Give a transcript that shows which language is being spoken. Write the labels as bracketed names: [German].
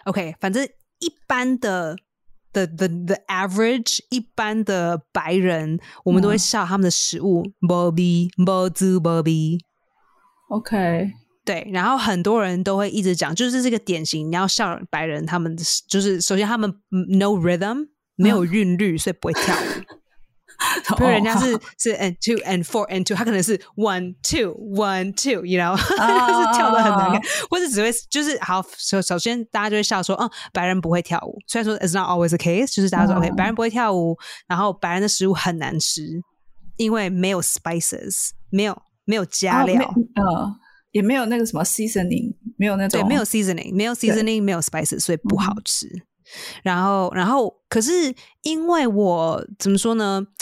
[Chinese] OK， 反正一般的 [English] the average [Chinese] 一般的白人，我们都会笑他们的食物 ，bobby bozu bobby。 OK。对，然后很多人都会一直讲，就是这个典型，你要笑白人，他们就是首先他们 [English] no rhythm [Chinese] 没有韵律，所以不会跳舞。因为人家是 [English] and two and four and two， [Chinese] 他可能是 [English] one two one two， you know， [Chinese] 就是跳得很难看，或者只会就是好。首先大家就会笑说，嗯，白人不会跳舞。虽然说 [English] it's not always the case， [Chinese] 就是大家说 OK， 白人不会跳舞，然后白人的食物很难吃，因为没有 spices， 没有加料。也没有那个什么 seasoning， 没有那种，对，没有 seasoning， 没有 spices， 所以不好吃。然后，可是因为我怎么说呢？